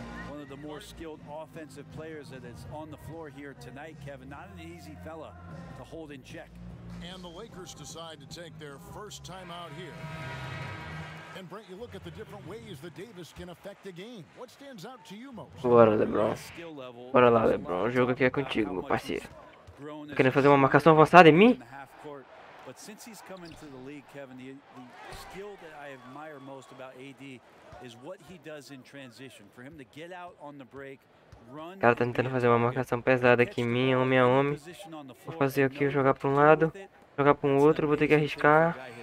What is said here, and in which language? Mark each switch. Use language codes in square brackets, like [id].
[en] One of the more skilled offensive players that is on the floor here tonight, Kevin. Not an easy fella to hold in check. And the Lakers decide to take their first time out here. And Brent, you look at the different ways that Davis can affect the game. What stands out to you most? [pt] Bora, LeBron. Bora lá, LeBron. O jogo aqui é contigo, meu parceiro. Tá querendo fazer uma marcação avançada em mim? [en] But since he's come into the league, Kevin, the skill that I admire most about AD is what he does in transition. For him to get out on the break. [pt] O cara tá tentando fazer uma marcação pesada aqui em mim, homem a homem. Vou fazer aqui, jogar pra um lado, jogar pra um outro, vou ter que arriscar.